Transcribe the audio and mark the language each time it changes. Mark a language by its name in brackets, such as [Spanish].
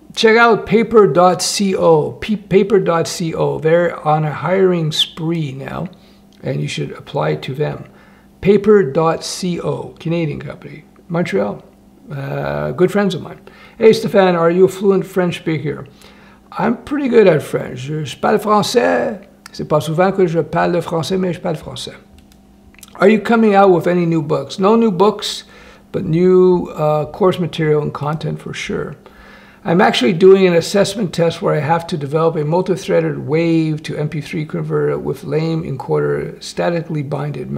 [English] Check out paper.co, paper.co. They're on a hiring spree now, and you should apply to them. Paper.co, Canadian company, Montreal. Good friends of mine. Hey, Stefan, are you a fluent French speaker? I'm pretty good at French. [French] Je parle français. C'est pas souvent que je parle le français, mais je parle français. [English] Are you coming out with any new books? No new books, but new course material and content for sure. I'm actually doing an assessment test where I have to develop a multi-threaded wave to MP3 converter with lame encoder statically binded.